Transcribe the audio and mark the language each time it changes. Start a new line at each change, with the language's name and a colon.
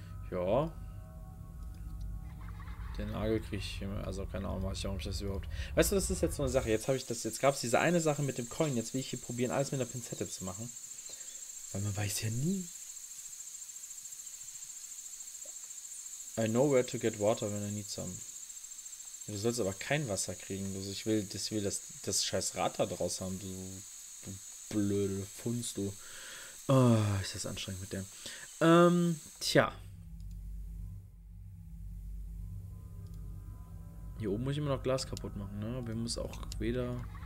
German: Ja. Den Nagel kriege ich hier. Also keine Ahnung, weiß ich, warum ich das überhaupt. Weißt du, das ist jetzt so eine Sache. Jetzt habe ich das. Jetzt gab es diese eine Sache mit dem Coin. Jetzt will ich hier probieren, alles mit einer Pinzette zu machen. Weil man weiß ja nie.
English: I know where to get water when I need some.
German: Du sollst aber kein Wasser kriegen. Also ich will das scheiß Rad da draus haben, du blöde Funz, du. Oh, ist das anstrengend mit dem. Tja. Hier oben muss ich immer noch Glas kaputt machen, ne? Aber wir müssen auch wieder.